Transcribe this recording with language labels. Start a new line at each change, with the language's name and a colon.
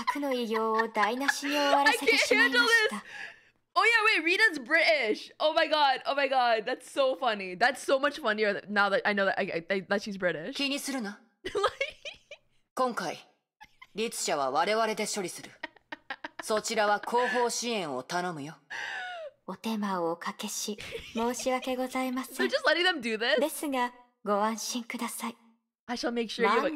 Japanese: それともジバクバク団でしょうか。以前、私一人でそちらの任務を台無しにしたことは悪いと思っている。今でも申し訳なさでいっぱいだ。こちらこそ、上条製薬の計画を邪魔したことで、せっかくの偉業を台無しに終わらせてしまいました。
English: Oh yeah, wait, Rita's British. Oh my god, oh my god, that's so funny. That's so much funnier now that I know that she's British.
Japanese: 気にするな。今回、律者は我々で処理する。そちらは後方支援を頼むよ。お手間をおかけし、申し訳ございません。
English: They're just letting them do this?
Japanese: ですが、ご安心ください。
English: I shall make sure you...